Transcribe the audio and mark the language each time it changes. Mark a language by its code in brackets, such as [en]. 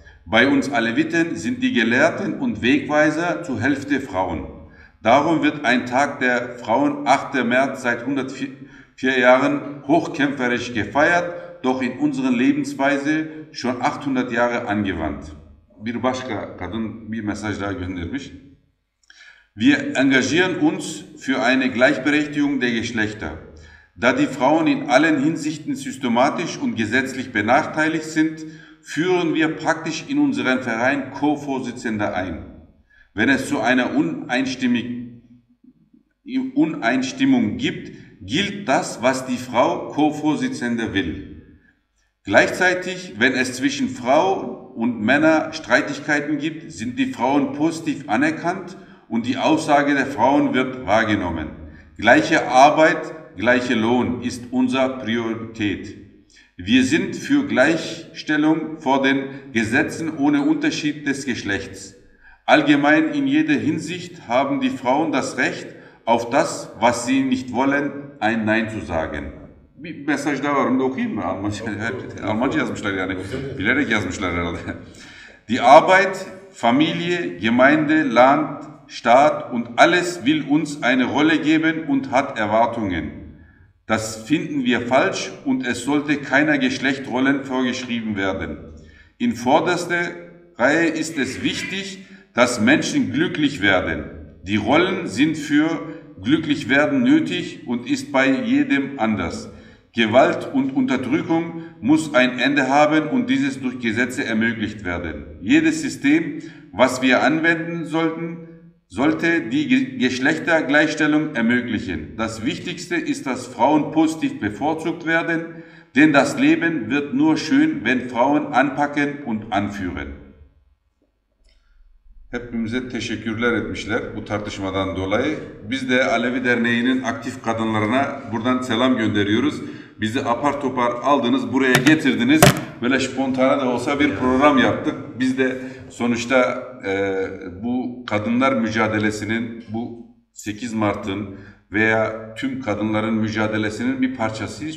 [de] Bei uns Aleviten sind die Gelehrten und Wegweiser zur Hälfte Frauen. Darum wird ein Tag der Frauen, 8. März, seit 104 Jahren hochkämpferisch gefeiert, doch in unserer Lebensweise schon 800 Jahre angewandt. [tr] Bir başka kadın bir mesaj daha göndermiş. [de] Wir engagieren uns für eine Gleichberechtigung der Geschlechter. Da die Frauen in allen Hinsichten systematisch und gesetzlich benachteiligt sind, führen wir praktisch in unseren Verein Co-Vorsitzende ein. Wenn es zu einer Uneinstimmung gibt, gilt das, was die Frau Co-Vorsitzende will. Gleichzeitig, wenn es zwischen Frau und Männer Streitigkeiten gibt, sind die Frauen positiv anerkannt und die Aussage der Frauen wird wahrgenommen. Gleiche Arbeit, gleicher Lohn ist unsere Priorität. Wir sind für Gleichstellung vor den Gesetzen ohne Unterschied des Geschlechts. Allgemein in jeder Hinsicht haben die Frauen das Recht, auf das, was sie nicht wollen, ein Nein zu sagen. [tr] Bir mesaj daha var, onu da okuyayım mı? Almanca yazmışlar yani. Bilerek yazmışlar herhalde. [de] Die Arbeit, Familie, Gemeinde, Land, Staat und alles will uns eine Rolle geben und hat Erwartungen. Das finden wir falsch und es sollte keiner Geschlechtsrollen vorgeschrieben werden. In vorderster Reihe ist es wichtig, dass Menschen glücklich werden. Die Rollen sind für glücklich werden nötig und ist bei jedem anders. Gewalt und Unterdrückung muss ein Ende haben und dieses durch Gesetze ermöglicht werden. Jedes System, was wir anwenden sollten, sollte die Geschlechtergleichstellung ermöglichen. Das Wichtigste ist, dass Frauen positiv bevorzugt werden, denn das Leben wird nur schön, wenn Frauen anpacken und anführen. [tr] Hepimize teşekkürler etmişler bu tartışmadan dolayı. Biz de Alevi Derneği'nin aktif kadınlarına buradan selam gönderiyoruz. Bizi apar topar aldınız, buraya getirdiniz. Böyle spontane de olsa bir program yaptık. Biz de sonuçta bu kadınlar mücadelesinin, bu 8 Mart'ın veya tüm kadınların mücadelesinin bir parçasıyız.